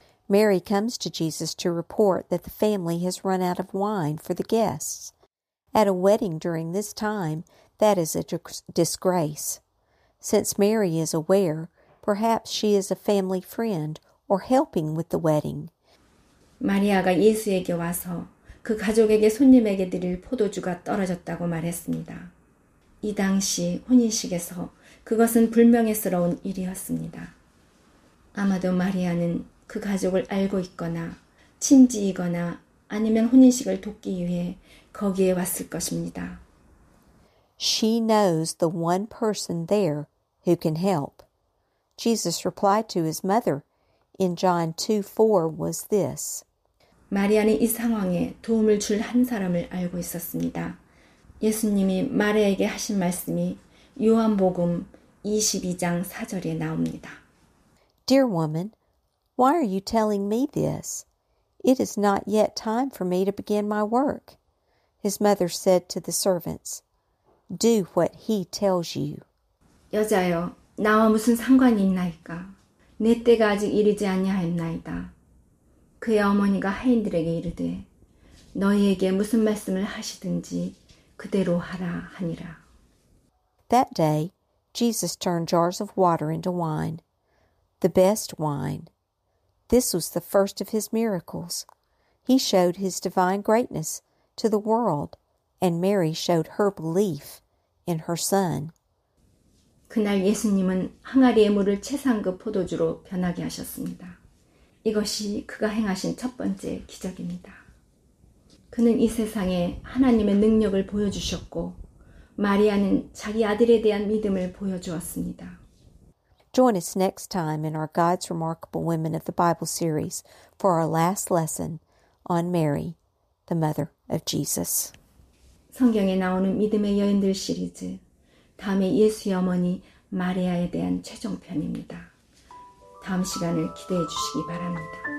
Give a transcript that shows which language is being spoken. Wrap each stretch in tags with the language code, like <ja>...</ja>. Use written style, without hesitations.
<en>Mary comes to Jesus to report that the family has run out of wine for the guests. At a wedding during this time, that is a disgrace. Since Mary is aware, perhaps she is a family friend or helping with the wedding.</en> <ko>마리아가 예수에게 와서 그 가족에게 손님에게 드릴 포도주가 떨어졌다고 말했습니다. 이 당시 혼인식에서 그것은 불명예스러운 일이었습니다. 아마도 마리아는 그 가족을 알고 있거나 친지이거나 아니면 혼인식을 돕기 위해 거기에 왔을 것입니다.</ko> <en>She knows the one person there who can help. Jesus replied to his mother in John 2:4 was this.</en> <ko>마리아는 이 상황에 도움을 줄 한 사람을 알고 있었습니다. 예수님이 마리아에게 하신 말씀이 요한복음 22장 4절에 나옵니다.</ko> <en>Dear woman, why are you telling me this? It is not yet time for me to begin my work. His mother said to the servants, Do what he tells you.</en> <ko>여자여, 나와 무슨 상관이 있나이까? 내 때가 아직 이르지 아니하였나이다. 그의 어머니가 하인들에게 이르되, 너희에게 무슨 말씀을 하시든지 그대로 하라 하니라.</ko> <en>That day, Jesus turned jars of water into wine, the best wine. This was the first of his miracles. He showed his divine greatness to the world, and Mary showed her belief in her son.</en> <ko>그날 예수님은 항아리의 물을 최상급 포도주로 변하게 하셨습니다. 이것이 그가 행하신 첫 번째 기적입니다. 그는 이 세상에 하나님의 능력을 보여주셨고, 마리아는 자기 아들에 대한 믿음을 보여주었습니다.</ko> <en>Join us next time in our God's Remarkable Women of the Bible series for our last lesson on Mary, the mother of Jesus.</en> <ko>성경에 나오는 믿음의 여인들 시리즈, 다음에 예수의 어머니 마리아에 대한 최종편입니다. 다음 시간을 기대해 주시기 바랍니다.</ko>